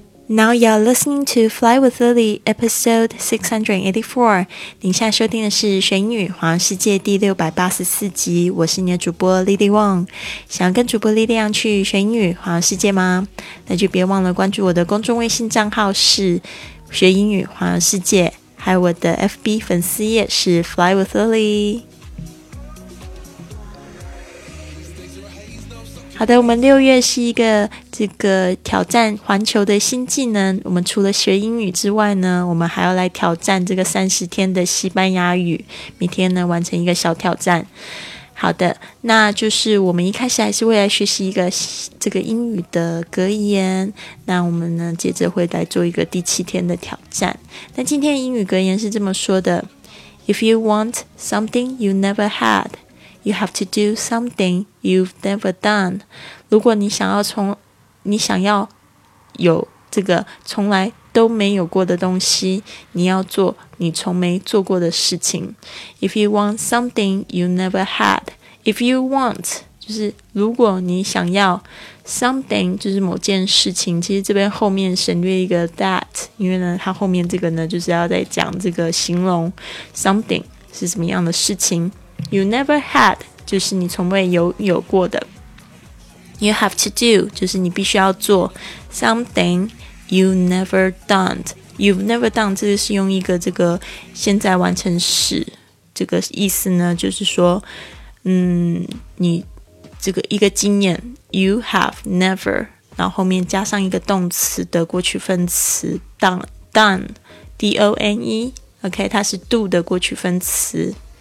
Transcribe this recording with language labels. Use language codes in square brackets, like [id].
[en] Now you're listening to Fly with Lily, episode 684. [zh] 您现在收听的是《玄女环游世界》第684集。我是你的主播 Lily Wong。想要跟主播 Lily Wong 去《玄女环游世界》吗？那就别忘了关注我的公众微信账号是《学英语环游世界》，还有我的 FB 粉丝页是 Fly with Lily。好的，我们六月是一个这个挑战环球的新技能。我们除了学英语之外呢，我们还要来挑战这个30天的西班牙语，每天呢完成一个小挑战。好的，那就是我们一开始还是会来学习一个这个英语的格言，那我们呢接着会来做一个第七天的挑战。那今天的英语格言是这么说的， [en] If you want something you never hadYou have to do something you've never done. [zh] 如果你想要有这个从来都没有过的东西，你要做你从没做过的事情。 [en] If you want something you never had. If you want, [zh] 就是如果你想要 something, 就是某件事情，其实这边后面省略一个 that, 因为呢它后面这个呢就是要在讲这个形容 something 是什么样的事情。 [en] You never had, [zh] 就是你从未有过的。 [en] You have to do, [zh] 就是你必须要做 [en] something you never done. You've never done, [zh] 这个是用一个这个现在完成式。这个意思呢就是说你这个一个经验 [en] you have never, [zh] 然后后面加上一个动词的过去分词 done, D-O-N-E, OK, 它是 do 的过去分词。